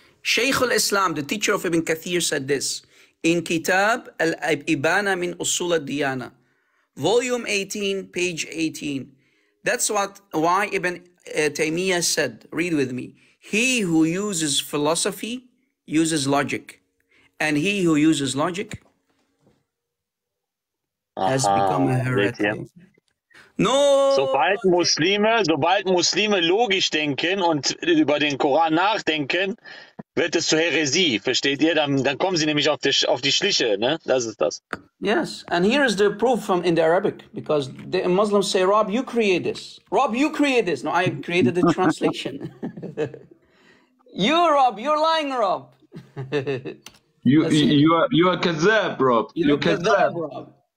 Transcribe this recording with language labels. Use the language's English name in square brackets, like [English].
[English] Shaykh al-Islam, the teacher of Ibn Kathir, said this. In Kitab al-Ibana min Usul al-Diyana, volume 18, page 18. That's why Ibn Taymiyyah said, read with me, he who uses philosophy uses logic, and he who uses logic has become a heretic. No! [German] Sobald Muslime logisch denken und über den Koran nachdenken, wird es zur Heresie, versteht ihr? Dann kommen sie nämlich auf die Schliche, ne? Das ist das. [English] Yes, and here is the proof from in the Arabic, because the Muslims say, Rob, you create this. Rob, you create this. No, I created the translation. you're lying, Rob. you are kazab, Rob. You're kazab, Rob.